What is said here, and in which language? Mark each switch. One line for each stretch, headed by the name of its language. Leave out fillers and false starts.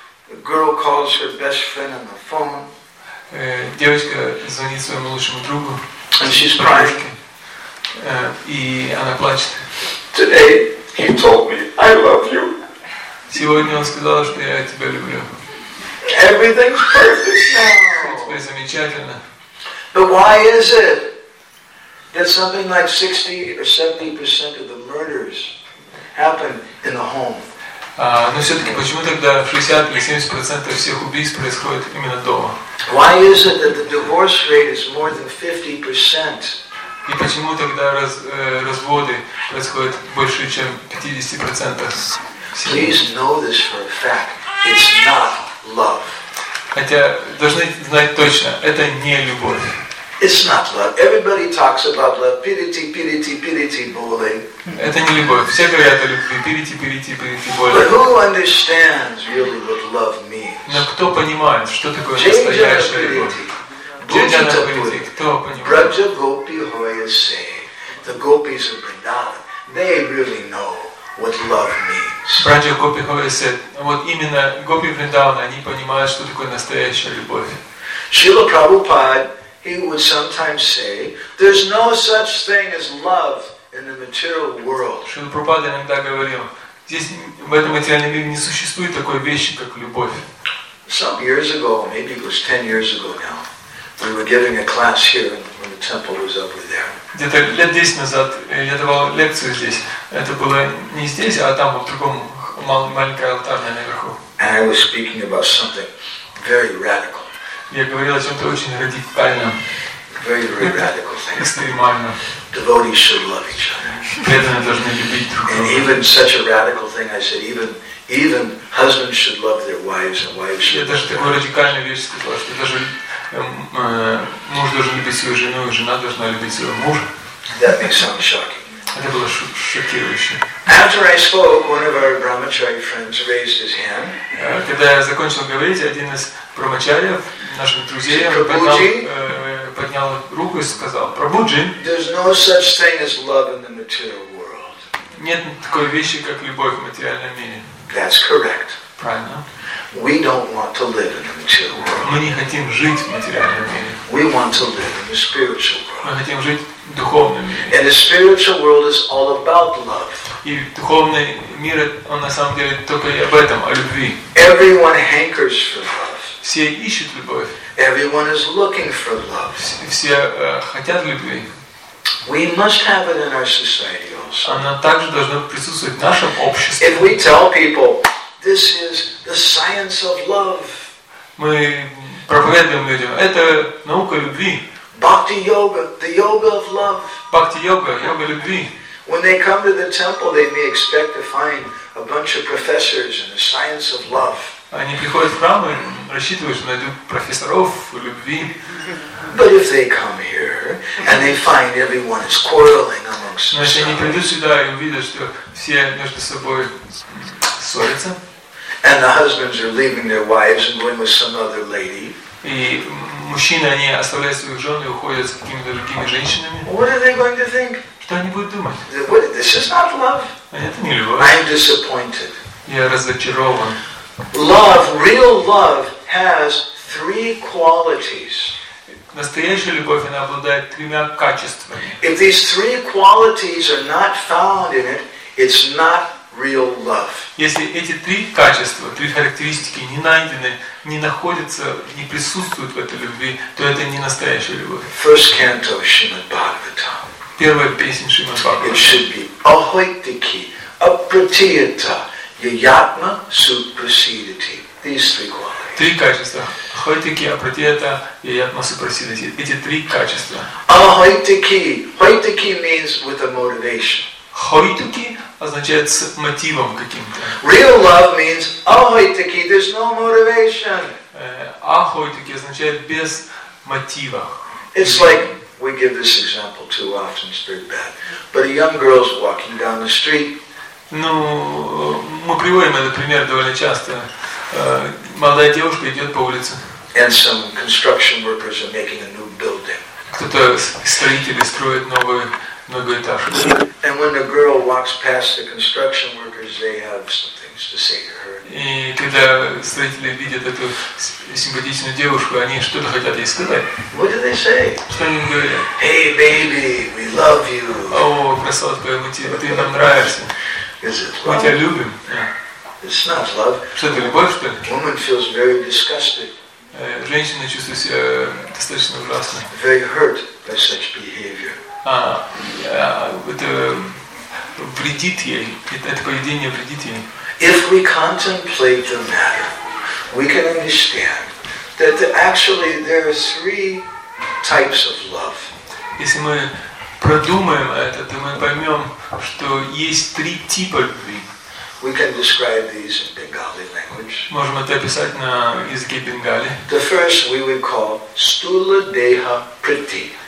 English: A girl calls her best friend on the phone.
Russian: Девочка звонит своему лучшему другу.
English: And she's crying.
Russian: и она плачет.
English: Today he told me I love you.
Russian: Сегодня он сказал, что я тебя люблю.
English: Everything's perfect now.
Russian: Все замечательно.
English: But why is it that something like 60 or 70% of the murders happen in the home?
Russian: Но все-таки почему тогда 60 или 70% всех убийств происходит именно дома?
English: Why is it that the divorce rate is more than 50%?
Russian: И почему тогда разводы происходят больше, чем 50%?
English: Please know this for a fact. It's not love.
Russian: Хотя должны знать точно, это не любовь.
English: It's not love. Everybody talks about love.
Bangla: Piriti, piriti, piriti, bole.
Russian: Это не любовь. Все говорят о любви.
Bangla: Piriti, piriti, piriti, bole.
English: But who understands really what love means?
Russian: Но кто понимает, что такое настоящая любовь? Джаджана Пирити. Кто понимает?
Bangla: Браджа Гопи Хоя Сей.
English: The Gopis of Vrindavan. They really know what love means.
Bangla: Браджа Гопи Хоя Сей.
Russian: Вот именно Гопи Вриндавана, они понимают, что такое настоящая любовь.
English: Шрила Прабхупада, he would sometimes say, there's no such thing as love in the material world.
Russian: Шрила Прабхупада иногда говорил, здесь, в этом материальном мире, не существует такой вещи, как любовь.
English: Some years ago, maybe it was 10 years ago now, we were giving a class here when the temple was over there.
Russian: Где-то лет 10 назад я давал лекцию здесь. Это было не здесь, а там, в другом маленьком алтаре наверху.
English: And I was speaking about something very radical.
Russian: Я говорил о чем-то очень радикальном.
English: Very, very radical thing.
Russian: Экстремально.
English: Devotees should love each other.
Russian: Преданные должны любить друг друга.
English: And even such a radical thing, I said, even husbands should love their wives and wives should.
Russian: Я даже такую радикальную вещь сказал, что даже муж должен любить свою жену, и жена должна любить своего мужа.
English: That may sound shocking.
Russian: Это было шокирующе.
English: After I spoke, one of our brahmachari friends raised his hand.
Russian: Когда я закончил говорить, один из брахмачариев, нашим друзьям, поднял руку и сказал: «Прабуджи,
English: there's no such thing as love in the material world.
Russian: Нет такой вещи, как любовь в материальном мире.
English: That's correct.
Russian: Правильно.
English: We don't want to live in the material world.
Russian: Мы не хотим жить в материальном мире.
English: We want to live in the spiritual world.
Russian: Мы хотим жить в духовном мире.
English: And the spiritual world is all about love.
Russian: И духовный мир, он на самом деле только об этом, о любви.
English: Everyone hankers for love.
Russian: Все ищут любовь.
English: Everyone is looking for love.
Russian: Все хотят любви.
English: We must have it in our society also.
Russian: Она также должна присутствовать в нашем обществе.
English: If we tell people, this is the science of love.
Russian: Мы проповедуем людям, это наука любви.
English: Bhakti yoga, the yoga of love.
Russian: Bhakti yoga, йога любви.
English: When they come to the temple, they may expect to find a bunch of professors in the science of love.
Russian: Они приходят в храм и рассчитывают, что найдут профессоров любви.
English: But if they come here and they find everyone is quarreling amongst themselves.
Russian: Но если они придут сюда и увидят, что все между собой ссорятся.
English: And the husbands are leaving their wives and going with some other lady.
Russian: И мужчины, они оставляют своих жен и уходят с какими-то другими женщинами.
English: What are they going to think?
Russian: Что они будут думать?
English: This is not love.
Russian: Это не любовь.
English: I'm disappointed.
Russian: Я разочарован.
English: Love, real love, has three qualities.
Russian: Настоящая любовь, она обладает тремя качествами.
English: If these three qualities are not found in it, it's not real love.
Russian: Если эти три качества, три характеристики не найдены, не находятся, не присутствуют в этой любви, то это не настоящая любовь.
English: First canto, Shrimad Bhagavatam.
Russian: Первая песня Шримад Бхагаватам.
Sanskrit: It should be ahoitiki, apratiyata. Yatma supersedity.
English: These three qualities.
Russian: Три качества.
Sanskrit: Ахойтики, апратиета, ятма супрасидити.
Russian: Эти три качества.
English: Ахойтики. Хойтики means with a motivation.
Russian: Хойтики означает с мотивом каким-то.
English: Real love means ахойтики. There's no motivation.
Russian: Ахойтики означает без мотива.
English: It's like we give this example too often. It's very bad. But a young girl's walking down the street.
Russian: Ну, мы приводим этот пример довольно часто. Молодая девушка идет по улице.
English: And some construction workers are making a new building.
Russian: Кто-то строители строят новую многоэтажку.
English: And when the girl walks past the construction workers, they have some things to say to her.
Russian: И когда строители видят эту симпатичную девушку, они что-то хотят ей сказать.
English: What do they say?
Russian: Что они говорят?
English: Hey, baby, we love you.
Russian: О, прасад твоему тебе, ты нам нравишься. Мы тебя любим.
English: It's not love.
Russian: Что это, любовь, что ли?
English: Woman feels very disgusted.
Russian: Женщина чувствует себя достаточно ужасно.
English: Very hurt by such behavior.
Russian: Это вредит ей. Это поведение вредит ей.
English: If we contemplate the matter, we can understand that actually there are three types of love.
Russian: Если мы продумаем это, то мы поймем, что есть три типа любви.
English: We can describe these in Bengali language.
Russian: Можем это описать на языке бенгали.
English: The first we would call stula deha priti.